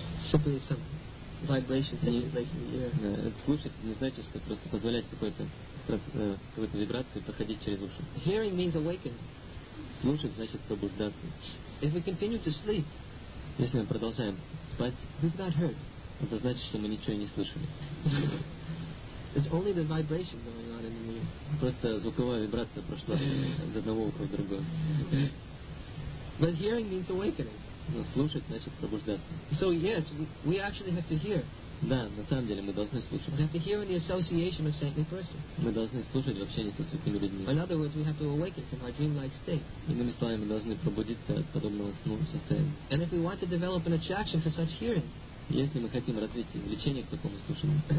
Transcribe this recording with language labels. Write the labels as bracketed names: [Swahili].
[English] Simply some vibration that you make in the ear. [Russian] Слушать не значит, что просто позволять какой-то вибрации проходить через уши. [English] Hearing means awakening. [Russian] Слушать значит пробуждаться. [English] If we continue to sleep, [Russian] если мы продолжаем спать, [English] we've not heard. [Russian] Это значит, что мы ничего не слышали. [English] It's only the vibration going on in the ear. [Russian] Просто звуковая вибрация прошла от одного уха в другое. [English] But hearing means awakening. [Russian] Но слушать значит пробуждаться. [English] So yes, we actually have to hear. [Russian] Да, на самом деле мы должны слушать. [English] We have to hear in the association of saintly persons. [Russian] Мы должны слушать в общении со святыми людьми. [English] In other words, we have to awaken from our dreamlike state. [Russian] Иными словами, мы должны пробудиться от подобного сну состояния. [English] And if we want to develop an attraction for such hearing, [Russian] если мы хотим развить влечение к такому слушанию,